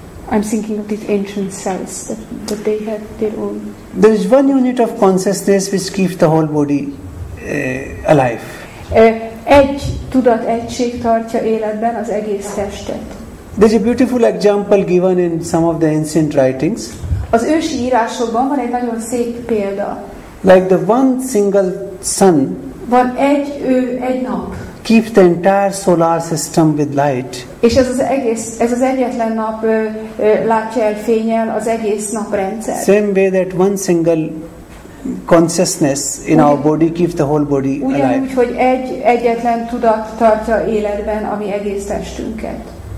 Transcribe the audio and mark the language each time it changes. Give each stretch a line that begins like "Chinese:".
English: I'm thinking of these ancient cells, that they have their own. There is one unit of consciousness which keeps the whole body alive.
Hungarian: Egy tudat egység tartja életben az egész testet.
English: There's a beautiful example given in some of the ancient writings.
Hungarian: Az ősi írásokban van egy nagyon szép példa.
English: Like the one single sun.
Hungarian: Van egy ő, egy nap.
English: Keep the entire solar system with light.
Hungarian: És ez az egyetlen nap látja el fényel az egész naprendszer.
English: Same way that one single consciousness in our body keeps the whole body alive.
Hungarian: Ugyanúgy, hogy egyetlen tudat tartja életben a mi egész testünket.